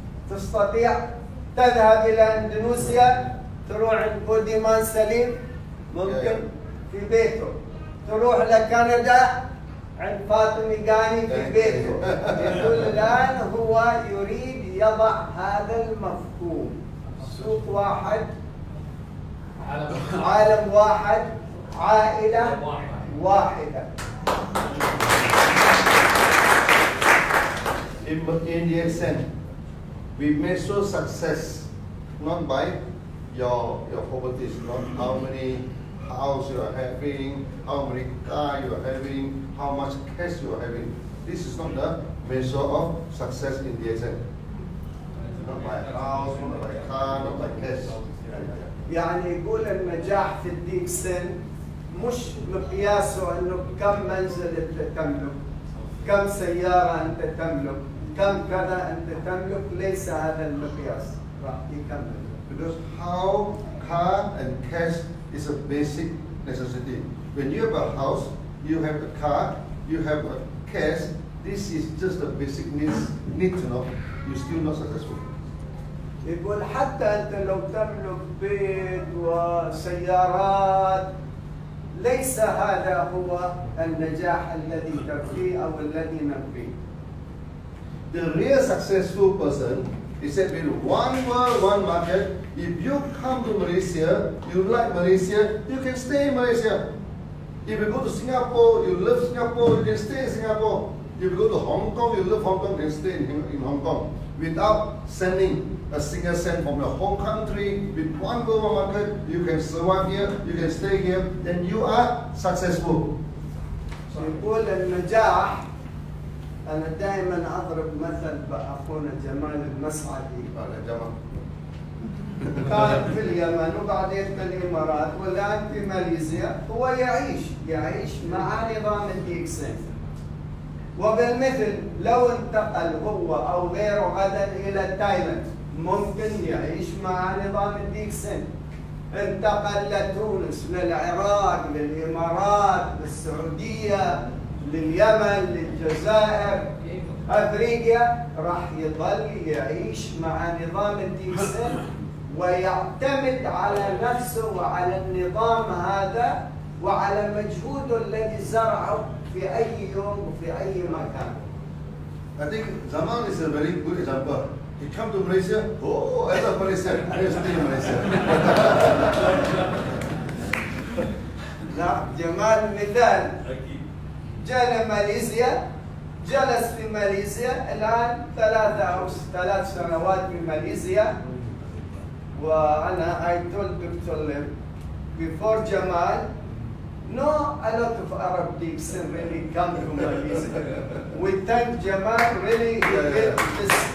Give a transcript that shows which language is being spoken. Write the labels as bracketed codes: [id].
[ar] تستطيع تذهب إلى إندونيسيا تروح عند بوديمان سليم ممكن في بيته تروح لكندا عند فاطمي غاني في بيته يقول الآن هو يريد يضع هذا المفهوم سوق واحد عالم واحد عائلة واحدة. [en] In the end, we measure success not by your properties, not how many house you are having, how many car you are having, how much cash you are having. This is not the measure of success in the end. Not by house, not by car, not by cash. [ar] يعني يقول النجاح في الديكسن مش مقياسه انه كم منزل انت تملك كم سياره انت تملك كم كذا انت تملك ليس هذا المقياس راح يكمل [en] because how car and cash is a basic necessity when you have a house you have a car you have a cash this is just a basic need to know you're still not successful [ar] يقول حتى أنت لو تملك بيت وسيارات ليس هذا هو النجاح الذي تبغيه أو الذي نبغيه. [en] The real successful person is that with one world, one market. If you come to Malaysia, you like Malaysia, you can stay in Malaysia. If you go to Singapore, you love Singapore, you can stay in Singapore. If you go to Hong Kong, you love Hong Kong, you can stay in Hong Kong without sending. A single cent from your home country with one global market, you can survive here, you can stay here, then you are successful. [ar] So يقول النجاح أنا دائما أضرب مثل بأخونا جمال المسعدي. أنا جمال. كان في اليمن وبعدين في الإمارات والآن في ماليزيا هو يعيش مع نظام الديكسن. وبالمثل لو انتقل هو أو غيره غدا إلى تايلاند ممكن يعيش مع نظام الديكسن انتقل لتونس للعراق للامارات للسعوديه لليمن للجزائر افريقيا راح يظل يعيش مع نظام الديكسن ويعتمد على نفسه وعلى النظام هذا وعلى مجهوده الذي زرعه في في اي يوم وفي اي مكان. [en] I think Zaman is a very good example. He come to Malaysia. Oh, as a Malaysian, I am still in Malaysia. [ar] لا جمال مثال. جاء لماليزيا، جلس في ماليزيا الآن ثلاث سنوات في ماليزيا. وأنا [en] I told Dr. Lim before Jamal. No, a lot of Arab dicks really come from Malaysia. We thank Jamal really this.